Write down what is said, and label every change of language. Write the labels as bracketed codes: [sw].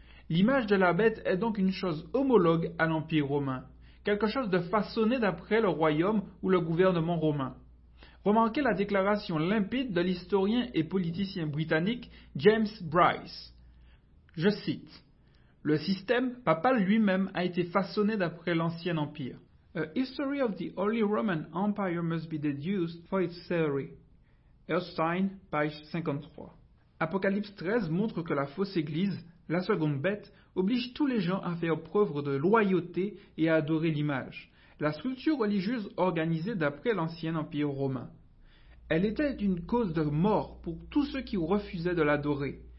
[fr] L'image de la bête est donc une chose homologue à l'Empire romain, quelque chose de façonné d'après le royaume ou le gouvernement romain. Remarquez la déclaration limpide de l'historien et politicien britannique James Bryce. Je cite « Le système papal lui-même a été façonné d'après l'ancien empire. [en] A history of the Holy Roman Empire must be deduced for its theory. » Erstein, page 53. [fr] Apocalypse 13 montre que la fausse église, la seconde bête, oblige tous les gens à faire preuve de loyauté et à adorer l'image, la structure religieuse organisée d'après l'ancien empire romain. Elle était une cause de mort pour tous ceux qui refusaient de l'adorer.